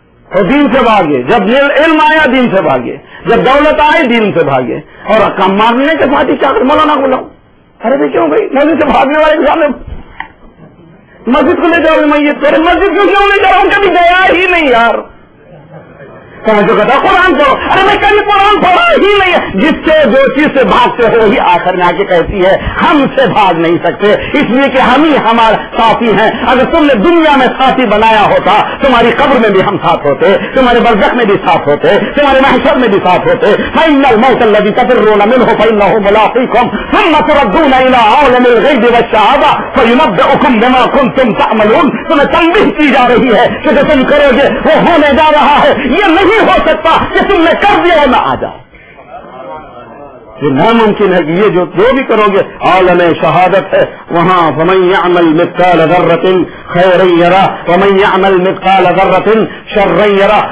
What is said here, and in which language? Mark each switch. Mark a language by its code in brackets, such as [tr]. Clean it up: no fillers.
[ur] تو دین سے بھاگے، جب علم آیا دین سے بھاگے، جب دولت آئے دین سے بھاگے، اور کام مارنے کے ساتھ ہی کیا کر مولانا بولاؤں؟ ارے بھائی کیوں بھائی، مسجد سے بھاگنے والے انسان مسجد کو لے جاؤ گے، میں یہ تیرے مسجد کو کیوں لے جاؤں؟ کبھی گیا ہی نہیں یار، جو کہتا قرآن پڑھو، ارے میں کبھی قرآن پڑھا ہی نہیں. جس سے جو چیز سے بھاگتے ہو وہی آخر میں آ کے کہتی ہے ہم سے بھاگ نہیں سکتے، اس لیے کہ ہم ہی ہمارا ساتھی ہیں. اگر تم نے دنیا میں ساتھی بنایا ہوتا تمہاری قبر میں بھی ہم ساتھ ہوتے، تمہارے برزخ میں بھی ساتھ ہوتے، تمہارے محشر میں بھی ساتھ ہوتے. [ar] فإن الموت الذي تفرون منه فإنه ملاقيكم ثم تردون إلى عالم الغيب والشهادة فينبئكم بما كنتم تعملون. [ur] تمہیں تنبیہ کی جا رہی ہے کہ جو تم کرو گے وہ ہونے جا رہا ہے. یہ ہو سکتا کہ تم نے کر دیا ہے نہ آ جاؤ، یہ ناممکن ہے کہ یہ جو بھی کرو گے. عالم شہادت ہے وہاں. [ar] فمن یعمل مثقال ذرۃ خیرا یرا ومن یعمل مثقال ذرۃ شرا یرا.